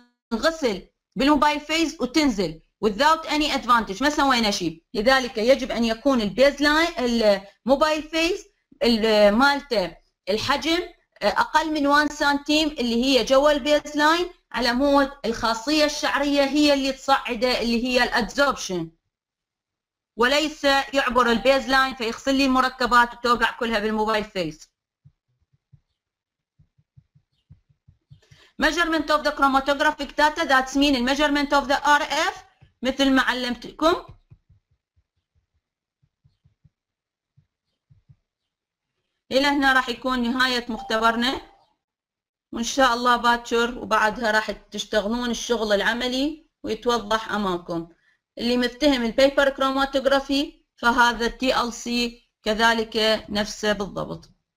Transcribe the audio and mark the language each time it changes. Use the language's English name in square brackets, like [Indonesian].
[Arabic] تنغسل بالموبايل فيز وتنزل [English] without any advantage [Arabic] ما سوينا شيء، لذلك يجب ان يكون البيز لاين الموبايل فيز مالته الحجم اقل من 1 سنتيم اللي هي جوا البيز لاين على مود الخاصية الشعرية هي اللي تصعده اللي هي الادزوربشن. وليس يعبر البيز لاين فيغسل لي المركبات وتوقع كلها بالموبايل فيس. [English] Measurement of the chromatographic data, that's mean the measurement of the RF, [Arabic] مثل ما علمتكم. إلى هنا راح يكون نهاية مختبرنا، وإن شاء الله باتشر وبعدها راح تشتغلون الشغل العملي ويتوضح أمامكم. اللي متهم البيبر كروماتوغرافي فهذا TLC كذلك نفسه بالضبط.